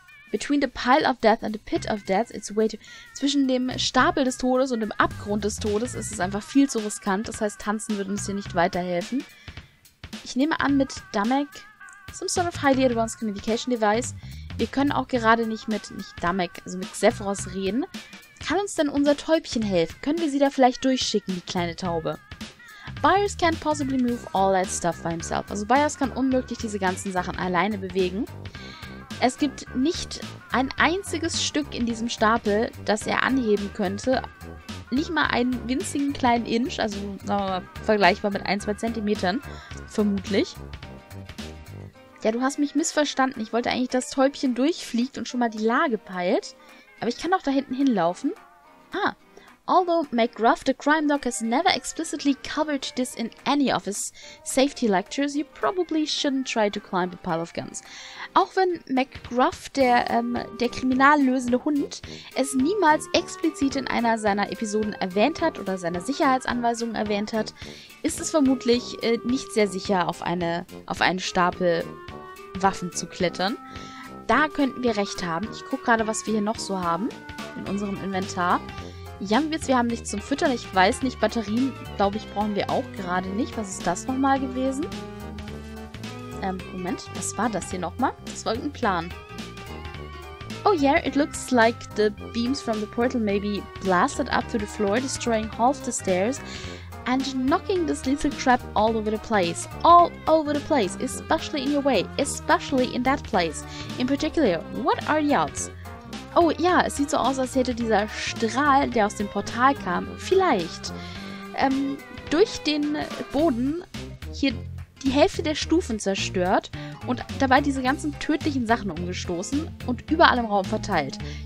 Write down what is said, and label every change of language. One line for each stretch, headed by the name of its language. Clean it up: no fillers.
English: Between the pile of death and the pit of death, it's way too.
German: Zwischen dem Stapel des Todes und dem Abgrund des Todes ist es einfach viel zu riskant. Das heißt, tanzen würde uns hier nicht weiterhelfen. Ich nehme an, mit Damek,
English: some sort of highly advanced communication device.
German: Wir können auch gerade mit Zephyros reden. Kann uns denn unser Täubchen helfen? Können wir sie da vielleicht durchschicken, die kleine Taube?
English: Byers can't possibly move all that stuff by himself.
German: Also Byers kann unmöglich diese ganzen Sachen alleine bewegen. Es gibt nicht ein einziges Stück in diesem Stapel, das er anheben könnte. Nicht mal einen winzigen kleinen Inch, also sagen wir mal, vergleichbar mit 1-2 Zentimetern, vermutlich. Ja, du hast mich missverstanden. Ich wollte eigentlich, dass das Täubchen durchfliegt und schon mal die Lage peilt. Aber ich kann doch da hinten hinlaufen.
English: Ah, although McGruff, the crime doc, has never explicitly covered this in any of his safety lectures, you probably shouldn't try to climb a pile of guns.
German: Auch wenn McGruff, der kriminallösende Hund, es niemals explizit in einer seiner Episoden erwähnt hat oder seiner Sicherheitsanweisungen erwähnt hat, ist es vermutlich nicht sehr sicher, auf einen Stapel Waffen zu klettern. Da könnten wir recht haben. Ich gucke gerade, was wir hier noch so haben in unserem Inventar. Jamwitz, wir haben nichts zum Füttern. Ich weiß nicht, Batterien, glaube ich, brauchen wir auch gerade nicht. Was ist das nochmal gewesen? Moment, was war das hier nochmal? Das war irgendein Plan.
English: Oh yeah, it looks like the beams from the portal maybe blasted up to the floor, destroying half the stairs and knocking this little crap all over the place. All over the place, especially in your way, especially in that place. In particular, what are the odds?
German: Oh ja, es sieht so aus, als hätte dieser Strahl, der aus dem Portal kam, vielleicht durch den Boden hier die Hälfte der Stufen zerstört und dabei diese ganzen tödlichen Sachen umgestoßen und überall im Raum verteilt.